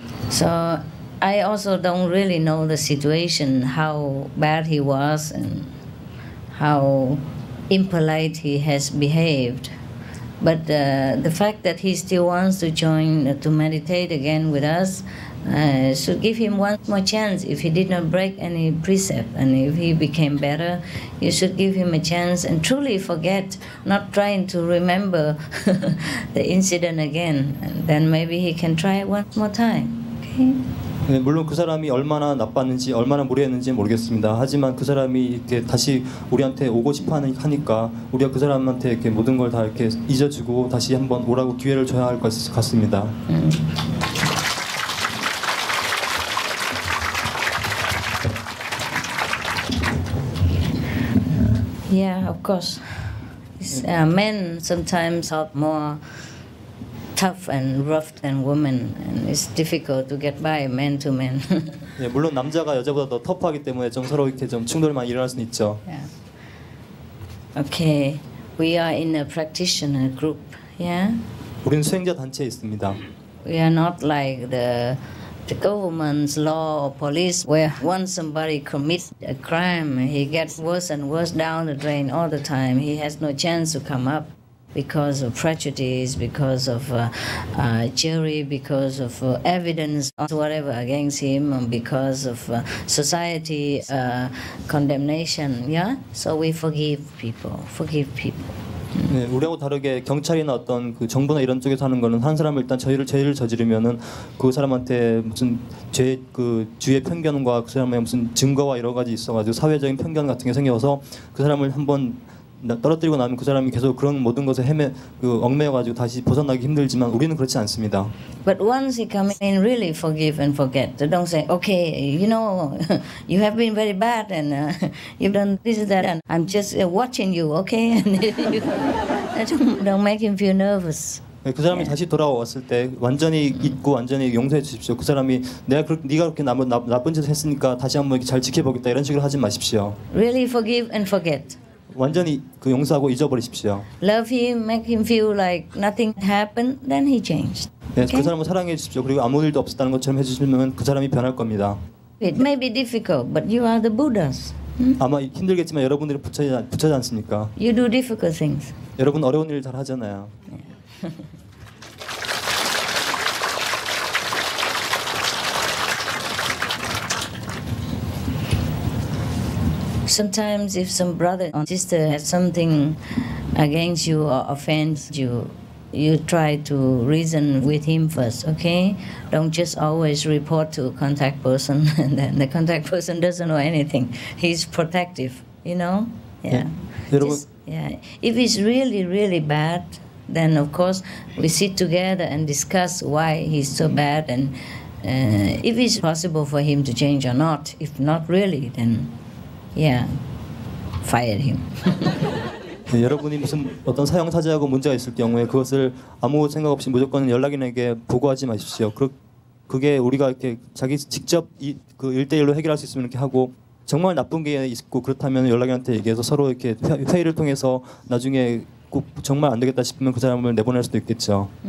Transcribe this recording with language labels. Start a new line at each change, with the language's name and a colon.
English: So I also don't really know the situation, how bad he was and how impolite he has behaved. But the fact that he still wants to join, to meditate again with us, should give him one more chance. If he did not break any precept and if he became better, you should give him a chance and truly forget, not trying to remember the incident again. And then maybe he can try one more time, okay?
Korean: 네, 물론 그 사람이 얼마나 나빴는지 얼마나 무례했는지 모르겠습니다. 하지만 그 사람이 이렇게 다시 우리한테 오고 싶어 하니까 우리가 그 사람한테 이렇게 모든 걸 다 이렇게 잊어주고 다시 한번 오라고 기회를 줘야 할 것 같습니다.
English: Yeah, of course. Men sometimes are more tough and rough than women, and it's difficult to get by man to man.
Korean: 예, 물론 남자가 여자보다 더 터프하기 때문에 좀 서로 이렇게 좀 충돌이 많이 일어날 수는 있죠.
English: Yeah. Okay, we are in a practitioner group, yeah?
Korean: 우리는 수행자 단체에 있습니다.
English: We are not like the government's law or police, where once somebody commits a crime, he gets worse and worse down the drain all the time. He has no chance to come up. Because of prejudice, because of jury, because of evidence or whatever against him, and because of society condemnation, yeah. So we forgive people. Forgive people.
Korean: 네, 우리하고 다르게 경찰이나 어떤 그 정부나 이런 쪽에서 하는 거는 한 사람을 일단 죄를 저지르면은 그 사람한테 무슨 죄 그 주의 편견과 그 사람의 무슨 증거와 여러 가지 있어가지고 사회적인 편견 같은 게 생겨서 그 사람을 한번 떨어뜨리고 나면 그 사람이 계속 그런 모든 것에 얽매여가지고 다시 벗어나기 힘들지만 우리는 그렇지 않습니다.
English: But once he come in, really forgive and forget. Don't say, okay, you know, you have been very bad and you've done this and that and I'm just watching you, okay? And don't make him feel nervous.
Korean: 그 사람이 다시 돌아왔을 때 완전히 잊고 완전히 용서해 주십시오. 그 사람이 내가 그렇게 네가 그렇게 나쁜 짓을 했으니까 다시 한번 잘 지켜보겠다 이런 식으로 하지 마십시오.
English: Really forgive and forget.
Korean: 완전히 그 용서하고 잊어버리십시오.
English: Love him, make him feel like nothing happened, then he changed. Okay?
Korean: 네, 그 사람을 사랑해 주십시오. 그리고 아무 일도 없었다는 것처럼 해주시면 그 사람이 변할 겁니다.
English: It may be difficult, but you are the Buddhas. Hmm?
Korean: 아마 힘들겠지만 여러분들이 부처지 않습니까?
English: You do difficult things.
Korean: 여러분 어려운 일 잘 하잖아요.
English: Sometimes if some brother or sister has something against you or offends you, you try to reason with him first, okay? Don't just always report to contact person and then the contact person doesn't know anything. He's protective, you know? Yeah. If it's really, really bad, then of course we sit together and discuss why he's so bad and if it's possible for him to change or not. If not really, then Yeah, fire him.
Korean: 네, 여러분이 무슨 어떤 사형 사죄하고 문제가 있을 경우에 그것을 아무 생각 없이 무조건 연락인에게 보고하지 마십시오. 그게 우리가 이렇게 자기 직접 그 일대일로 해결할 수 있으면 이렇게 하고 정말 나쁜 게 있고 그렇다면 연락인한테 얘기해서 서로 이렇게 회의를 통해서 나중에 꼭 정말 안 되겠다 싶으면 그 사람을 내보낼 수도 있겠죠.